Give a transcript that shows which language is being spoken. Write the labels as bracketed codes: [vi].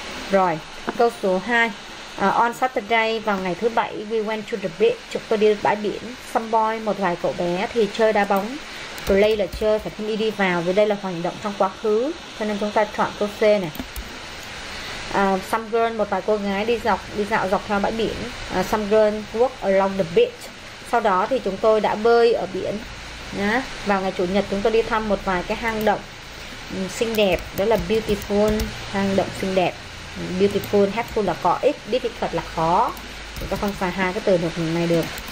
[vi] Rồi, câu số 2. On Saturday, vào ngày thứ bảy, [en] we went to the beach, [vi] chúng tôi đi bãi biển. Some boy, một vài cậu bé thì chơi đá bóng. Play là chơi, phải thêm đi vào, vì đây là hoạt động trong quá khứ, cho nên chúng ta chọn câu C này. Some girl, một vài cô gái đi dạo dọc theo bãi biển. [en] Some girl walk along the beach. [vi] Sau đó thì chúng tôi đã bơi ở biển. Vào ngày chủ nhật chúng tôi đi thăm một vài cái hang động xinh đẹp, đó là beautiful, hang động xinh đẹp. Beautiful, helpful là có ích, difficult là khó. Chúng ta không xài hai cái từ được này được.